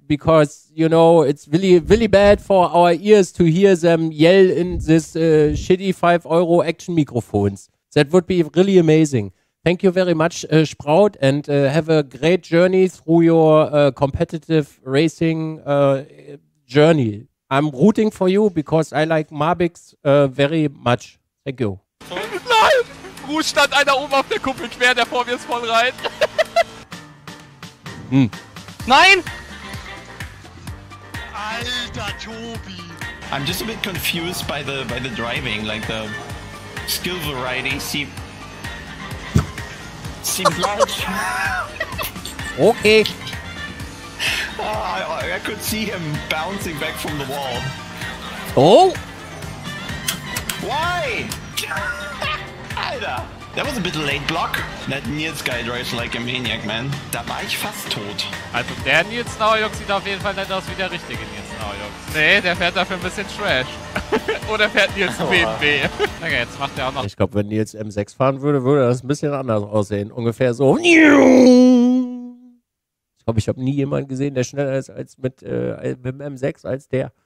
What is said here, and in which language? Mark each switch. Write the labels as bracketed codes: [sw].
[en] Because, you know, it's really, really bad for our ears to hear them yell in this shitty 5 euro action microphones. That would be really amazing. Thank you very much, Sprout, and have a great journey through your competitive racing journey. I'm rooting for you because I like Mabix very much. Thank you. [de] Nein! Ruhestand einer oben auf der Kuppel quer, der vor mir ist voll rein. Nein! Alter Tobi! [en] I'm just a bit confused by the driving, like the skill variety seems large. Okay. I could see him bouncing back from the wall. Oh! Why? Alter! That was a bit late block. That Nils guy drives like a maniac, man. [de] Da war ich fast tot. Also der Nils Naujok sieht auf jeden Fall nicht aus wie der richtige Nils Naujok. Nee, der fährt dafür ein bisschen Trash. Oder fährt Nils BMW. Okay, jetzt macht er auch noch. Ich glaube, wenn Nils M6 fahren würde, würde das ein bisschen anders aussehen. Ungefähr so. Ich glaube, ich habe nie jemanden gesehen, der schneller ist als mit dem M6 als der.